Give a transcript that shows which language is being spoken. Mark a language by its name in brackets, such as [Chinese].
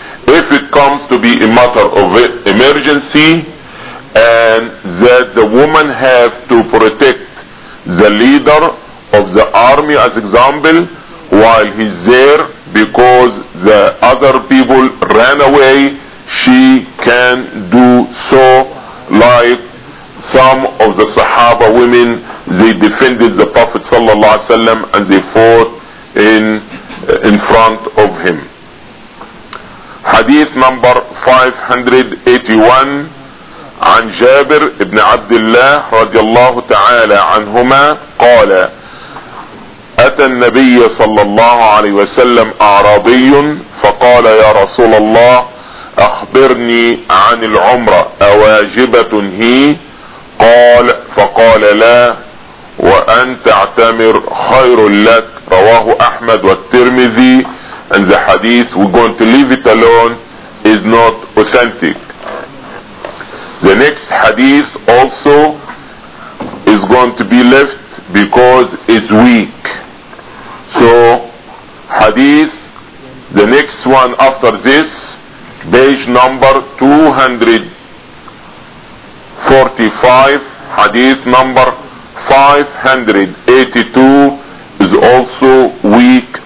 [English] If it comes to be a matter of emergency and that the woman have to protect the leader of the army, as example, while he's there because the other people ran away, she can do so, like some of the Sahaba women, they defended the Prophet sallallahu alaihi wasallam and they fought in front of him. Hadith number 581 [Arabic] عن جابر ابن عبد الله رضي الله تعالى عنهما قال أتى النبي صلى الله عليه وسلم أعرابي فقال يا رسول الله أخبرني عن العمرة أواجبة هي؟ فقال لا وأن تعتمر خير لك. رواه أحمد والترمذي. [English] And the hadith, we're going to leave it alone, is not authentic. The next hadith also is going to be left because it's weak. So, hadith, the next one after this, page number 245, hadith number 582, is also weak.